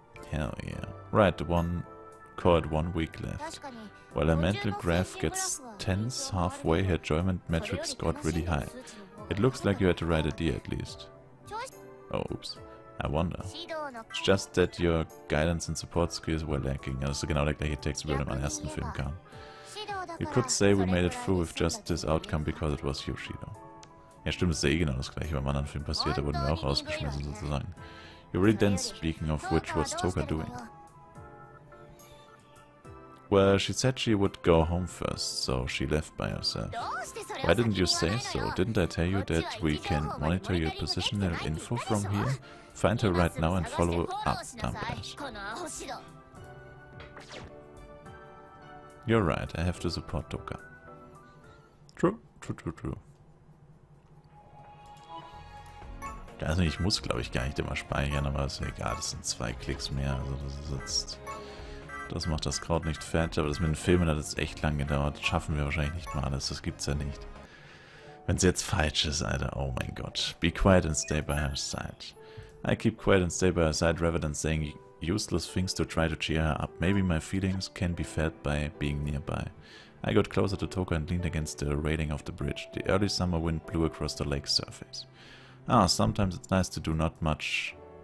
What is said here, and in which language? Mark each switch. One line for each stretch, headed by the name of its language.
English: Hell yeah. Right, the one called 1 week left. While her mental graph gets tense halfway, her enjoyment metrics got really high. It looks like you had the right idea at least. Oh, oops. I wonder. It's just that your guidance and support skills were lacking.
German: Das ist genau der gleiche Text, wie er im ersten Film kam.
English: You could say we made it through with just this outcome because it was Yoshido.
German: Ja, stimmt, es ist eh genau das gleiche. Beim anderen Film passiert, da wurden wir auch rausgeschmissen, sozusagen.
English: You're really dense, speaking of which, what's Toka doing? Well, she said she would go home first, so she left by herself. Why didn't you say so? Didn't I tell you that we can monitor your positional info from here? Find her right now and follow up, dumbass. You're right, I have to support Toka. True.
German: Also ich muss, glaube ich, gar nicht immer speichern, aber ist egal, das sind 2 Klicks mehr, also das ist jetzt... Das macht das Kraut nicht fett, aber das mit den Filmen hat jetzt echt lang gedauert. Das schaffen wir wahrscheinlich nicht mal alles, das gibt's ja nicht. Wenn's jetzt falsch ist, Alter, oh mein Gott.
English: Be quiet and stay by her side. I keep quiet and stay by her side rather than saying useless things to try to cheer her up. Maybe my feelings can be felt by being nearby. I got closer to Toka and leaned against the railing of the bridge. The early summer wind blew across the lake's surface. Ah, sometimes it's nice to do not much...